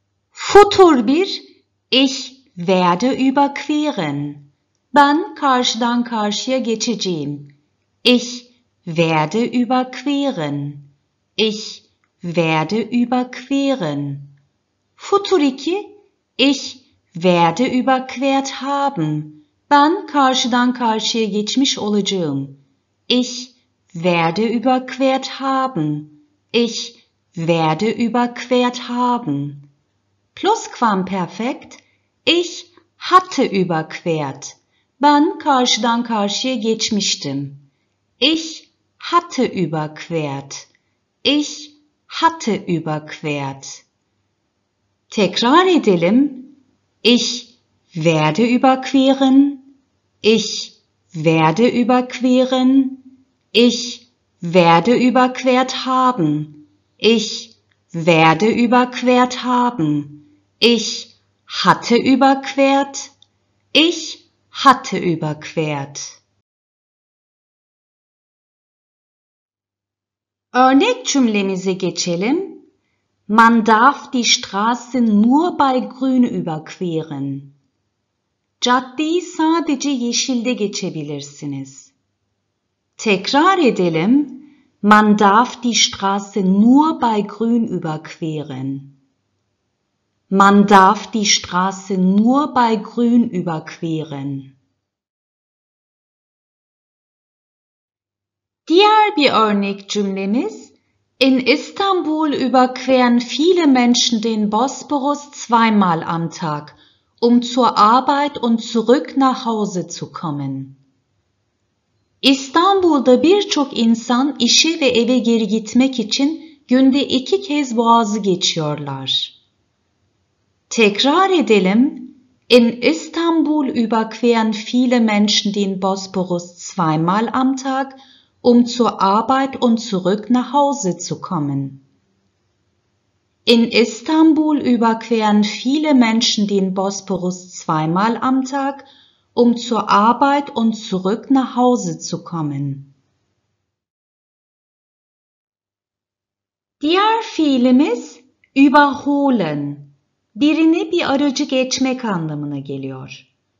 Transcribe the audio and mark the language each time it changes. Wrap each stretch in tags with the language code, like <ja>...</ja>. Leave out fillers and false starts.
<de>Futur 1, ich werde überqueren.</de> <tr>Ben karşıdan karşıya geçeceğim.</tr> <de>Ich werde überqueren. Ich werde überqueren. Futur 2, ich werde überquert haben.</de> <tr>Ben karşıdan karşıya geçmiş olacağım.</tr> <de>Ich werde überquert haben. Ich werde überquert haben. Plusquamperfekt, ich hatte überquert.</de> <tr>Ben karşıdan karşıya geçmiştim.</tr> <de>Ich hatte überquert. Ich hatte überquert.</de> <tr>Tekrar edelim.</tr> <de>Ich werde überqueren. Ich werde überqueren. Ich werde überquert haben. Ich werde überquert haben. Ich hatte überquert. Ich hatte überquert.</de> <tr>Örnek cümlemize geçelim.</tr> <de>Man darf die Straße nur bei grün überqueren.</de> <tr>Caddeyi sadece yeşilde geçebilirsiniz. Tekrar edelim.</tr> <de>Man darf die Straße nur bei grün überqueren. Man darf die Straße nur bei grün überqueren.</de> <tr>Diğer bir örnek cümlemiz,</tr> <de>in Istanbul überqueren viele Menschen den Bosporus zweimal am Tag, um zur Arbeit und zurück nach Hause zu kommen.</de> <tr>İstanbul'da birçok insan işe ve eve geri gitmek için günde iki kez boğazı geçiyorlar. Tekrar edelim.</tr> <de>In Istanbul überqueren viele Menschen den Bosporus zweimal am Tag, um zur Arbeit und zurück nach Hause zu kommen. In Istanbul überqueren viele Menschen den Bosporus zweimal am Tag, um zur Arbeit und zurück nach Hause zu kommen.</de> <tr>Diğer fiilimiz überholen. Birini bir aracı geçmek anlamına geliyor.</tr>